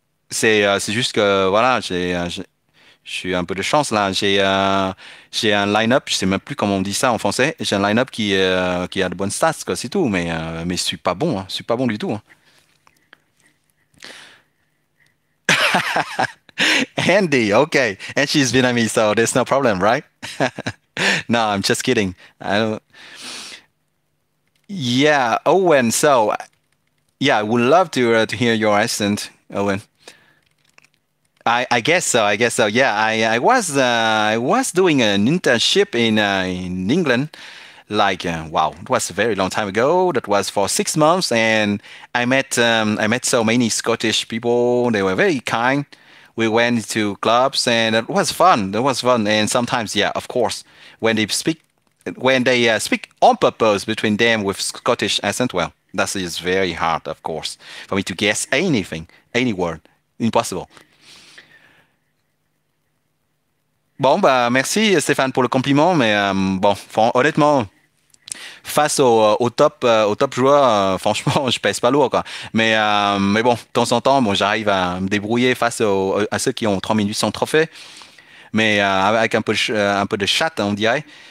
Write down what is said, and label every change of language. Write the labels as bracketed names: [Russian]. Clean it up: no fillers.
[French] C'est juste que voilà, j'ai un peu de chance là, j'ai un line-up, je sais même plus comment on dit ça en français, j'ai un line-up qui a de bonnes stats, quoi, c'est tout, mais je suis pas bon, hein. Je suis pas bon du tout. Hein. [English] Andy, okay, and she's Vietnamese, so there's no problem, right? No, I'm just kidding. I don't... Yeah, Owen, so, yeah, I would love to hear your accent, Owen. I guess so, yeah, I was doing an internship in England, it was a very long time ago, that was for 6 months, and I met so many Scottish people, they were very kind, we went to clubs, and it was fun, and sometimes, yeah, of course, when they speak on purpose between them with Scottish accent, well, that is very hard, of course, for me to guess anything, any word. Impossible. [French] Bon, bah, merci, Stéphane, pour le compliment, mais honnêtement, face au top joueur, franchement, je pèse pas lourd, quoi. Mais bon, de temps en temps, bon, j'arrive à me débrouiller face à ceux qui ont 3 minutes sans trophée, mais avec un peu de chat, on dirait.